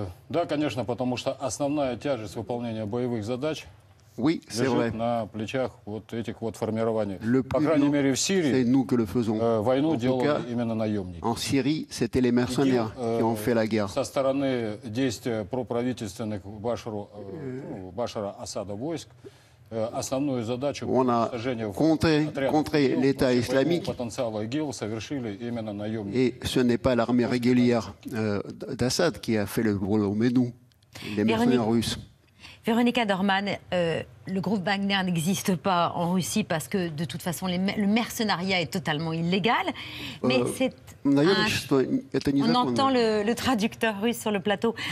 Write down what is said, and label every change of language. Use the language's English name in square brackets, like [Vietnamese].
[Russian] Да, конечно, потому что основная тяжесть выполнения боевых задач лежит на плечах вот этих вот формирований. По крайней мере, в Сирии войну делали именно наемники. [French] En Syrie, c'était les mercenaires qui ont fait la guerre. [Russian] Со стороны действия проправительственных Башара Асада войск, основную задачу уничтожения контре [French] l'État islamique [Russian] потенциала ИГИЛ совершили именно наемники. [French] Et ce n'est pas l'armée régulière d'Assad qui a fait le boulot, mais nous, les mercenaires russes. Véronique Adorman, le groupe Wagner n'existe pas en Russie parce que, de toute façon, le mercenariat est totalement illégal. Mais c'est on entend le traducteur russe sur le plateau.